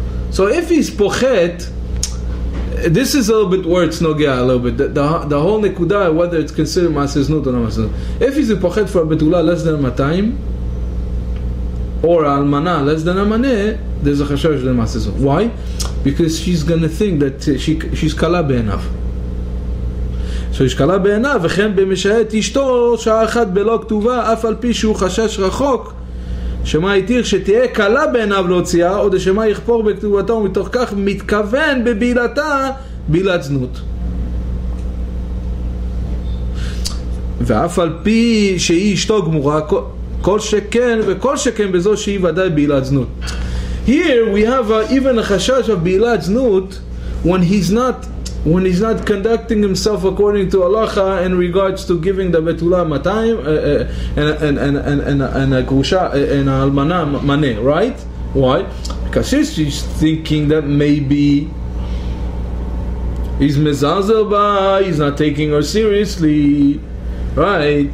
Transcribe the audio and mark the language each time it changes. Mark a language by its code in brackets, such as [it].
[en] So if he's pochet, this is a little bit where it's nogea a little bit. The whole nekuda, whether it's considered maaseh znut or not maaseh znut. If he's a pochet for a betula less than a matayim, or a almana less than a mane, there's a chashash of maaseh znut. Why? Because she's going to think that she's kala be'enav. [he] So she's kala be'enav, v'chem b'meshayet ishto, sha'a achat b'lo k'tuva, af al pi shu chashash rachok, שמה יתיר שתהיה קלה בעיניו להוציאה או שמה יכפור בכתובתו ומתוך כך מתכוון בבילתה בילת זנות ואף על פי שהיא אשתו גמורה כל שכן וכל שכן בזו שהיא ודאי בילת זנות. [en] Here we have even a חשש of בילת זנות when he's not when he's not conducting himself according to halacha in regards to giving the betula matayim and a almana mane, right? Why? Because she's thinking that maybe he's mezazel ba, he's not taking her seriously, right?